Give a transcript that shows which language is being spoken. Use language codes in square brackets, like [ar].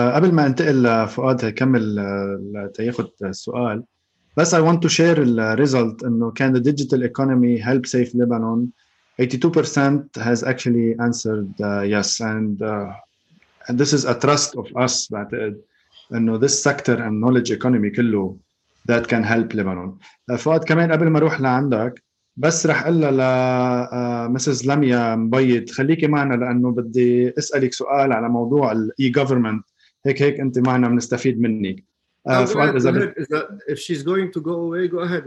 [ar] قبل ما انتقل فؤاد هيكمل تياخد السؤال. [en] بس I want to share the result إنه can the digital economy help save Lebanon. 82% has actually answered yes and this is a trust of us that إنه this sector and knowledge economy كله that can help Lebanon. [ar] فؤاد كمان قبل ما روح لعندك بس رح أقول ل Mrs. لميا مبيض خليكي معنا لأنه بدي أسألك سؤال على موضوع ال e-government. هيك أنت معنا بنستفيد منك. [en] Fuad, if she's going to go away, go ahead.